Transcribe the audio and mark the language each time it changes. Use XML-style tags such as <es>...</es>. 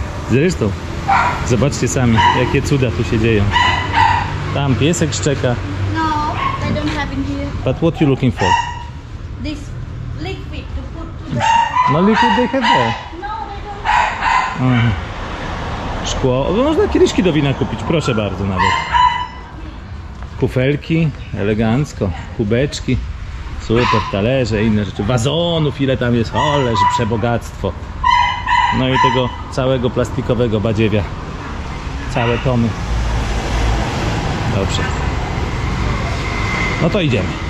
<pl>Zresztą, zobaczcie sami, jakie cuda tu się dzieją. Tam piesek szczeka.</pl> <en>No, I don't have in here. But what you looking for? This liquid to put to the... No liquid they have there. No, they don't.</en> <pl>Szkło, można kieliszki do wina kupić, proszę bardzo nawet. Kufelki, elegancko, kubeczki. Super, talerze, inne rzeczy. Wazonów, ile tam jest, ależ przebogactwo. No i tego całego plastikowego badziewia. Całe tony. Dobrze. No to idziemy.</pl>